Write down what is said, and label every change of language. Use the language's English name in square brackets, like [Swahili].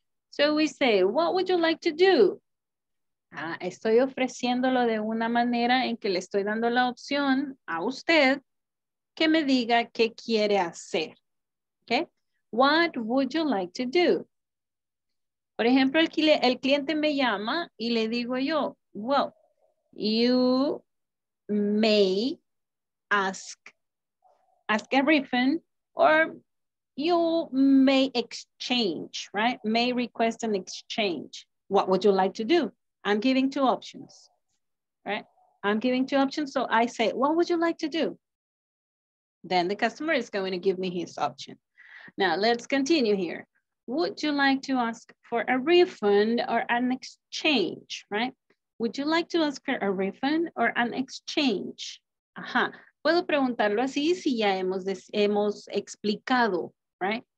[English] So we say, what would you like to do? [Spanish] Ah, estoy ofreciéndolo de una manera en que le estoy dando la opción a usted que me diga qué quiere hacer. [English] Okay, what would you like to do? [Spanish] Por ejemplo, el cliente me llama y le digo yo, [English] well, you may ask a refund, or you may exchange, right? May request an exchange. What would you like to do? I'm giving two options, right? I'm giving two options. So I say, what would you like to do? Then the customer is going to give me his option. Now let's continue here. Would you like to ask for a refund or an exchange, right? Would you like to ask for a refund or an exchange? Ajá. [Spanish] Puedo preguntarlo así si ya hemos explicado, right?